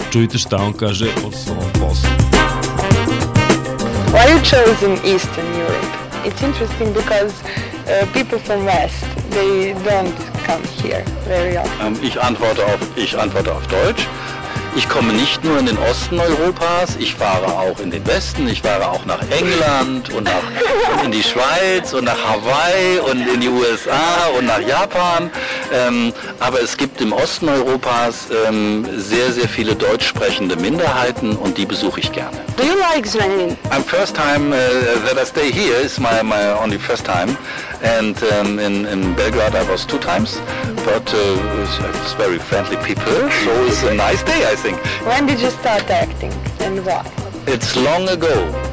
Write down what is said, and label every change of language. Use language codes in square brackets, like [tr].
[sr] Čujte šta on kaže o svom poslu. [en] Why you chose in Eastern Europe? It's interesting because people from West, they don't come here very often. [de] Ich antworte auf Deutsch. Ich komme nicht nur in den Osten Europas, ich fahre auch in den Westen, ich fahre auch nach England und nach in die Schweiz und nach Hawaii und in die USA und nach Japan. Aber es gibt im Osten Europas sehr, sehr viele deutsch sprechende Minderheiten und die besuche ich gerne. [en] Do you like Sweden? I'm first time that I stay here, it's my only first time. And in Belgrade I was 2 times, but it's very friendly people, so it's a nice day, I think. When did you start acting and why? It's long ago.